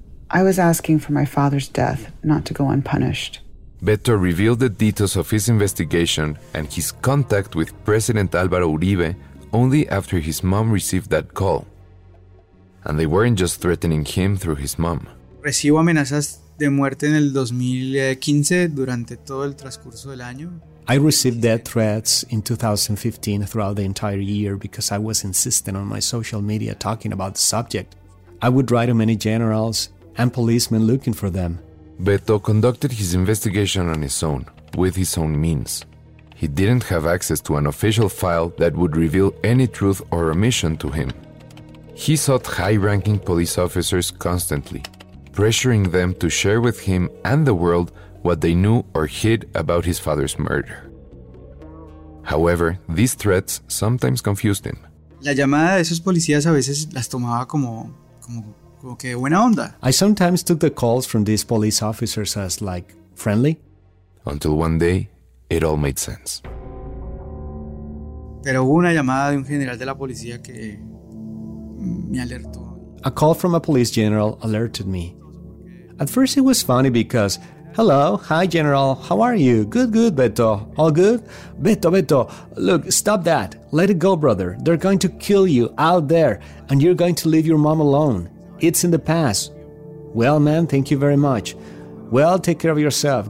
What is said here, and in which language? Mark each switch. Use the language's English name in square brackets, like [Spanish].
[English] I was asking for my father's death, not to go unpunished. Beto revealed the details of his investigation and his contact with President Álvaro Uribe only after his mom received that call. And they weren't just threatening him through his mom. [Spanish] Recibo amenazas de muerte en el 2015 durante todo el transcurso del año. [English] I received death threats in 2015 throughout the entire year because I was insistent on my social media talking about the subject. I would write to many generals and policemen looking for them. Beto conducted his investigation on his own, with his own means. He didn't have access to an official file that would reveal any truth or omission to him. He sought high-ranking police officers constantly, pressuring them to share with him and the world what they knew or hid about his father's murder. However, these threats sometimes confused him. [Spanish] La llamada de esos policías a veces las tomaba como que buena onda. [English] I sometimes took the calls from these police officers as, like, friendly. Until one day, it all made sense. [Spanish] Pero hubo una llamada de un general de la policía que me alertó. [English] A call from a police general alerted me. At first it was funny because, hello, hi general, how are you? Good, good, Beto, all good? Beto, look, stop that, let it go, brother. They're going to kill you out there and you're going to leave your mom alone. It's in the past. Well, man, thank you very much. Well, take care of yourself.